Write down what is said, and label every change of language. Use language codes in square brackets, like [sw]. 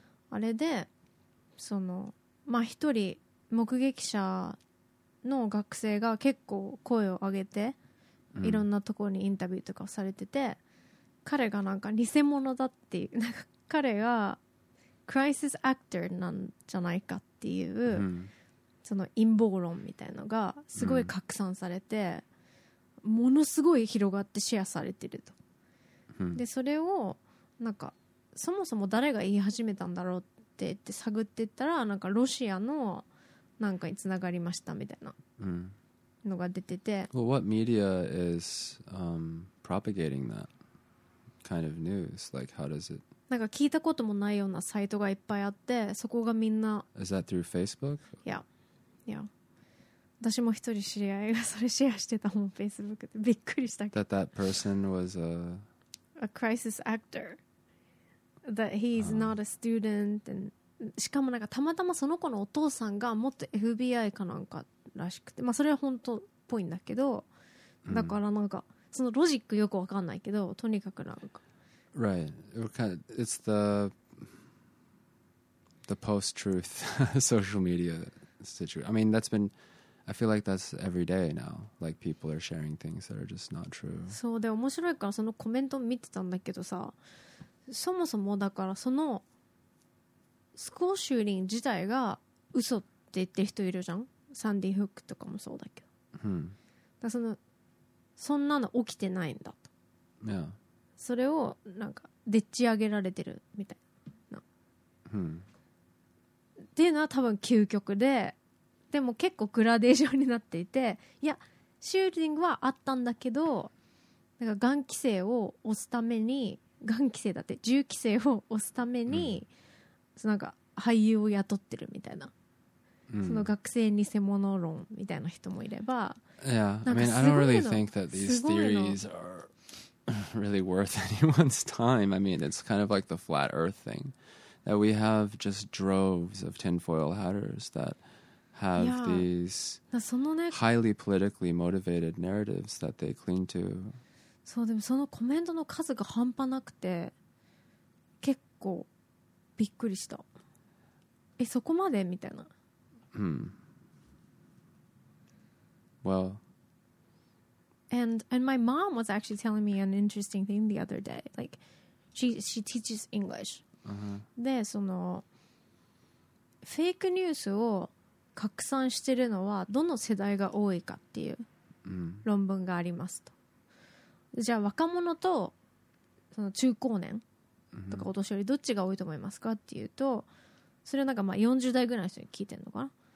[ja] あれで、一人目撃者の学生が結構声を上げて、いろんなところにインタビューとかされてて、彼がなんか偽物だっていう、なんか彼がクライシスアクターなんじゃないかっていう、その陰謀論みたいのがすごい拡散されて、ものすごい広がってシェアされてると。でそれをなんかそもそも誰が言い始めたんだろうって言って探ってったら、なんかロシアのなんかにつながりましたみたいな。のが出てて、 [en] Well, what media is propagating that kind of news? Like, how does it? [ja] なんか聞いたこともないようなサイトがいっぱいあって、そこがみんな。 [en] Is that through Facebook? Yeah. [ja] 私も一人知り合いがそれシェアしてたもん、Facebook で。びっくりしたけど。 [en] That person was a crisis actor. That he's not a student. And [ja] しかもなんかたまたまその子のお父さんがもっと FBI かなんか。らしくて、まあ、それは本当っぽいんだけど、だからなんかそのロジックよくわかんないけど、とにかくなんか [en] Right. It's the post-truth social media situation. I mean, that's been, I feel like that's every day now. Like people are sharing things that are just not true. [ja] そうで面白いからそのコメント見てたんだけどさ、そもそもだからそのスクールシューティング自体が嘘って言ってる人いるじゃん。サンディフックとかもそうだけど、だからそんなの起きてないんだと、 [en] yeah. [ja] それをなんかでっち上げられてるみたいな、っていうのは多分究極で、でも結構グラデーションになっていて、いやシューティングはあったんだけど、なんかガン規制を押すために、ガン規制だって銃規制を押すために、なんか俳優を雇ってるみたいな、その学生偽物論みたいな人もいれば、 [en] Yeah, I mean, I don't really think that these theories are really worth anyone's time. I mean, it's kind of like the flat earth thing. that we have just droves of tinfoil hatters that have these highly politically motivated narratives that they cling to. [ja] そう、でもそのコメントの数が半端なくて結構びっくりした。え、そこまで?みたいな。 Hmm. [en] Well. And my mom was actually telling me an interesting thing the other day. Like, she teaches English. Uh-huh. [ja] で、その、フェイクニュースを拡散してるのはどの世代が多いかっていう論文がありますと。じゃあ若者とその中高年とかお年寄りどっちが多いと思いますかっていうと、それはなんかまあ40代ぐらいの人に聞いてるのかな。